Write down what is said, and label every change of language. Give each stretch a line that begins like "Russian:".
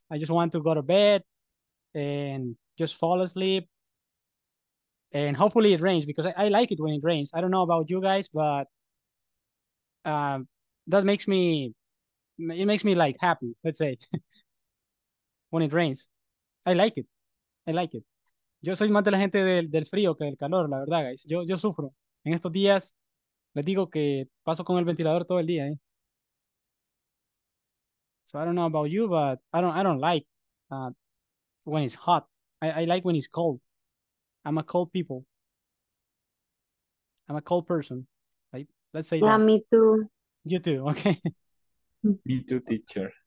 English: I just want to go to bed and just fall asleep. And hopefully it rains because I like it when it rains. I don't know about you guys, but that makes me, it makes me like happy, let's say, when it rains. I like it. I like it.
Spanish: Yo soy más de la gente del frío que del calor, la verdad, guys. Yo sufro. En estos días, les digo que paso con el ventilador todo el día, ¿eh?
English: So I don't know about you, but I don't like when it's hot. I like when it's cold. I'm a cold people. I'm a cold person. Like, let's say yeah, that. Yeah, me too. You too, okay? Me too, teacher.